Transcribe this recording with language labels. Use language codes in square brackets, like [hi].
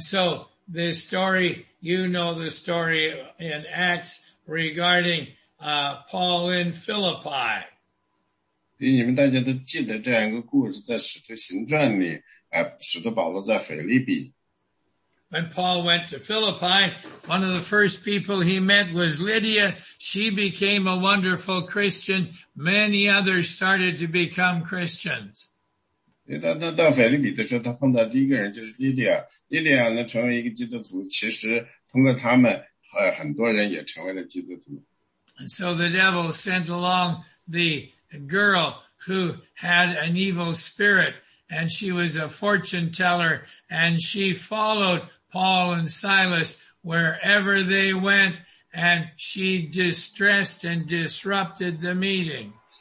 [en] so the story, you know the story in Acts regarding Paul in Philippi. [zh] 你们大家都记得这样一个故事，在使徒行传里，使徒保罗在腓立比。 [en] When Paul went to Philippi, one of the first people he met was Lydia. She became a wonderful Christian. Many others started to become Christians. [zh] 到腓立比的时候，他碰到第一个人就是莉莉亚。莉莉亚呢，成为一个基督徒。其实，通过他们，很多人也成为了基督徒。 [en] And so the devil sent along the girl who had an evil spirit, and she was a fortune teller, and she followed Paul and Silas wherever they went, and she distressed and disrupted the meetings.